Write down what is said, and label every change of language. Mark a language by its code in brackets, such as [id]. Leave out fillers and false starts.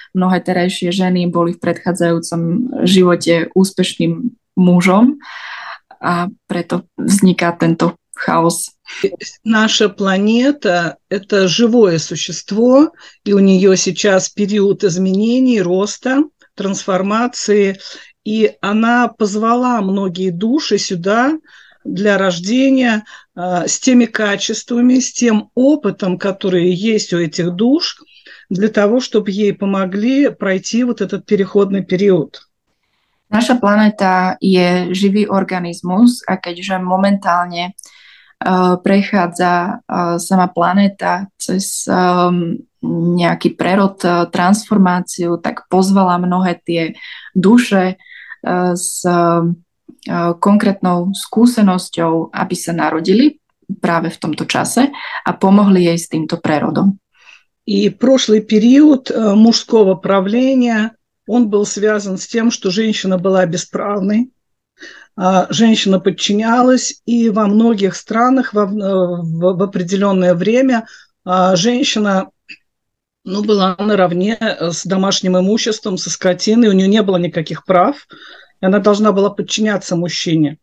[sk] Mnohé terajšie ženy boli v predchádzajúcom živote úspešným mužom. A preto vzniká tento chaos. [ru] Наша планета – это живое существо, и у нее сейчас период изменений, роста, трансформации, и она позвала многие души сюда для рождения, с теми качествами, с тем опытом, который есть у этих душ, для того, чтобы ей помогли пройти вот этот переходный период. [sk] Naša planéta je živý organizmus a keďže momentálne prechádza sama planéta cez nejaký prerod, transformáciu, tak pozvala mnohé tie duše s konkrétnou skúsenosťou, aby sa narodili práve v tomto čase a pomohli jej s týmto prerodom. [ru] И прошлый период мужского правления, он был связан с тем, что женщина была бесправной, женщина подчинялась, и во многих странах в определенное время женщина, ну, была наравне с домашним имуществом, со скотиной, у нее не было никаких прав, и она должна была подчиняться мужчине.